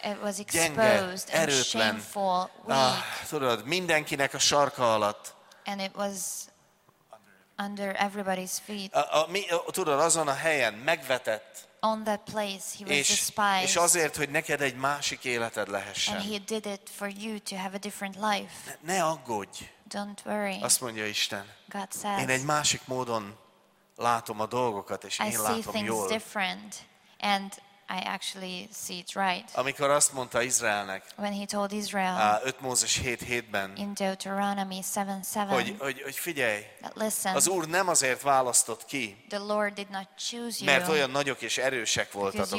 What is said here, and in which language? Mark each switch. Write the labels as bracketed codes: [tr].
[en] It was exposed, [hu] gyenge, erőtlen. [en] And shameful, weak. [hu] Tudod, mindenkinek a sarka alatt. [en] And it was under everybody's feet. [hu] Tudod, azon a helyen megvetett. [en] On that place he was despised. [hu] És azért, hogy neked egy másik életed lehessen. [en] And he did it for you to have a different life. [hu] Ne aggódj. [en] Don't worry. [hu] Azt mondja Isten. [en] God says, [hu] én egy másik módon látom a dolgokat, és én látom jól. [en] I see things different and I actually see it right. [hu] Amikor azt mondta Izraelnek. [en] When he told Israel. [hu] 5 Mózes 7:7-ben. [en] In Deuteronomy 7:7. [hu] Hogy figyelj. [en] Listen, [hu] az Úr nem azért választott ki. [en] The Lord did not choose you. [hu] Mert olyan nagyok és erősek voltatok,